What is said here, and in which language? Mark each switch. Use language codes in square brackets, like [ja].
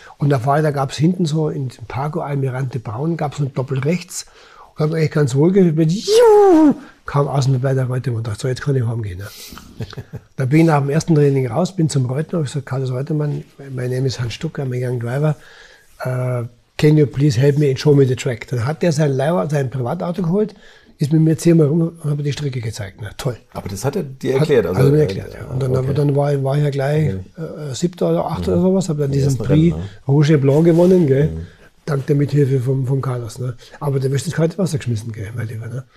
[de] Und da war ich, da gab es hinten so in dem Parco Almirante Braun, gab es ein Doppelrechts. Und habe eigentlich ganz wohl gefühlt, kam aus dem bei der Reutemann und dachte, so, jetzt kann ich heimgehen. Ne? Da bin ich nach dem ersten Training raus, bin zum Reutemann und habe gesagt, Carlos Reutemann, mein Name ist Hans Stucker, [en] mein Young Driver. Can you please help me and show me the track? [de] Dann hat der sein Privatauto geholt, ist mit mir 10-mal rum und hat mir die Strecke gezeigt. Na, toll. Aber das hat er dir erklärt? Also mir erklärt, ja. Und dann war ich ja gleich siebter oder achter oder sowas, habe dann diesen Prix Rouge Blanc gewonnen, gell? Dank der Mithilfe vom Carlos. Ne? Aber der wird ins kalte Wasser geschmissen, gell, mein Lieber. Ne?